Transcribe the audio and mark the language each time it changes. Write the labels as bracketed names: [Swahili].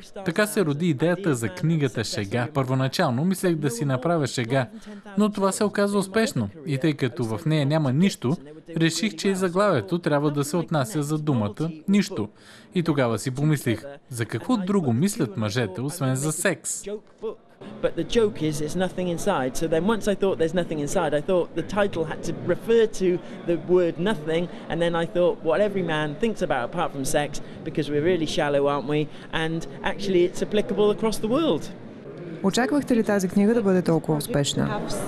[Bulgarian] Така се роди идеята за книгата Шега. Първоначално мислех да си направя шега, но това се оказа успешно. И тъй като в нея няма нищо, реших, че и заглавието трябва да се отнася за думата «нищо». И тогава си помислих, за какво друго мислят мъжете, освен за секс? [English] But the joke is there's nothing inside. So then once I thought there's nothing inside, I thought the title had to refer to the word nothing, and then I thought what every man thinks about apart from sex, because we're really shallow, aren't we? And actually it's applicable across the world. [Bulgarian] Очаквахте ли тази книга да бъде толкова успешна?